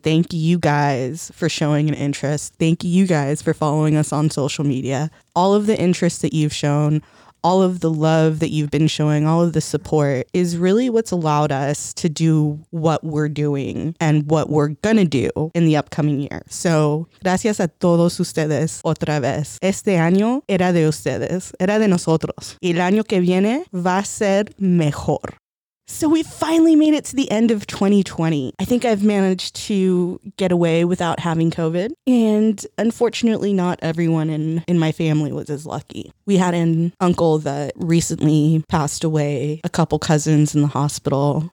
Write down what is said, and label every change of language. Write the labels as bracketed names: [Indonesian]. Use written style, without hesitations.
[English] Thank you guys for showing an interest. Thank you guys for following us on social media. All of the interest that you've shown, all of the love that you've been showing, all of the support is really what's allowed us to do what we're doing and what we're gonna do in the upcoming year. [Spanish] So, gracias a todos ustedes otra vez. Este año era de ustedes, era de nosotros. El año que viene va a ser mejor. [English] So we finally made it to the end of 2020. I think I've managed to get away without having COVID. And unfortunately, not everyone in my family was as lucky. We had an uncle that recently passed away, a couple cousins in the hospital.